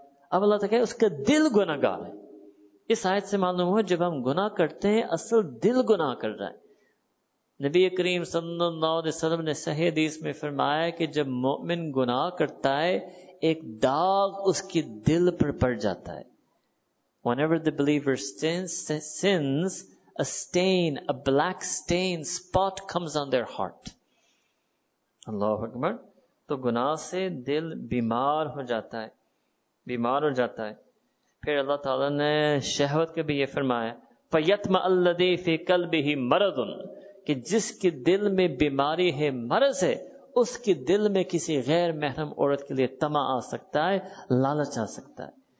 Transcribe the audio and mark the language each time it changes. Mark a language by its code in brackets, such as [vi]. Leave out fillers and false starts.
[ur] اب اللہ تعالیٰ کہے اس کا دل گناہگار ہے. اس آیت سے معلوم ہو, جب ہم گناہ کرتے ہیں اصل دل گناہ کر رہا ہے. نبی کریم صلی اللہ علیہ وسلم نے صحیح حدیث میں فرمایا کہ جب مومن گناہ کرتا ہے, ایک داغ اس کے دل پر پڑ جاتا ہے. [en] Whenever the believer sins, a stain, a black stain, spot comes on their heart. [ur] اللہ اکبر. تو گناہ سے دل بیمار ہو جاتا ہے, بیمار ہو جاتا ہے. پھر اللہ تعالیٰ نے شہوت کے بھی یہ فرمایا, [ar] فَيَتْمَ أَلَّذِي فِي قَلْبِهِ مَرَضٌ, [ur] کہ جس کے دل میں بیماری ہے, مرض ہے, اس کے دل میں کسی غیر محرم عورت کے لیے تمہ آ سکتا ہے, لالچ آ سکتا ہے.